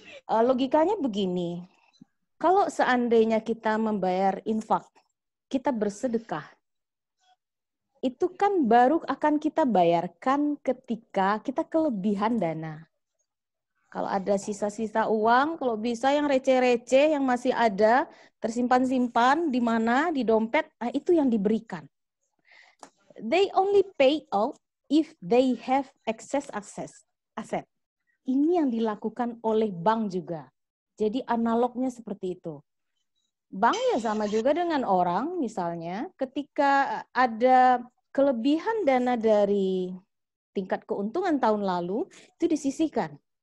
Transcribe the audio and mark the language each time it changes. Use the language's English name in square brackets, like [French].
[Indonesian] Logikanya begini, kalau seandainya kita membayar infak, kita bersedekah, itu kan baru akan kita bayarkan ketika kita kelebihan dana. Kalau ada sisa-sisa uang, kalau bisa yang receh-receh, yang masih ada, tersimpan-simpan, di mana, di dompet, nah itu yang diberikan. [English] They only pay out if they have excess asset. [Indonesian] Ini yang dilakukan oleh bank juga. Jadi analognya seperti itu. Bank ya sama juga dengan orang, misalnya, ketika ada kelebihan dana dari tingkat keuntungan tahun lalu, itu disisihkan.